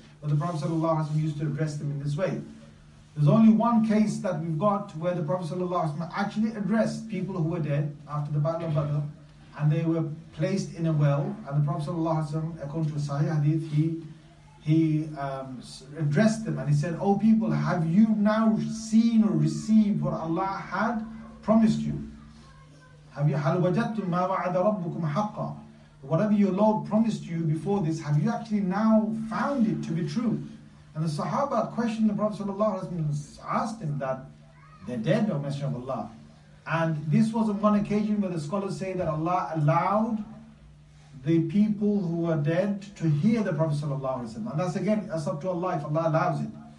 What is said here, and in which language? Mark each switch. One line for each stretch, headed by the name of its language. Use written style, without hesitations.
English: But the Prophet sallallahu alaihi wasallam used to address them in this way. There's only one case that we've got where the Prophet sallallahu alaihi wasallam actually addressed people who were dead after the Battle of Badr. And they were placed in a well, and the Prophet ﷺ, according to a Sahih hadith, he addressed them and he said, O people, have you now seen or received what Allah had promised you? Have you
Arabic: حَلْ وَجَدْتُمْ مَا وَعَدَ رَبُّكُمْ حَقًّا?
English: Whatever your Lord promised you before this, have you actually now found it to be true? And the Sahaba questioned the Prophet ﷺ, asked him that they're dead, O Messenger of Allah. And this was on one occasion where the scholars say that Allah allowed the people who were dead to hear the Prophet sallallahu alaihi wasallam. And that's again, that's up to Allah, if Allah allows it.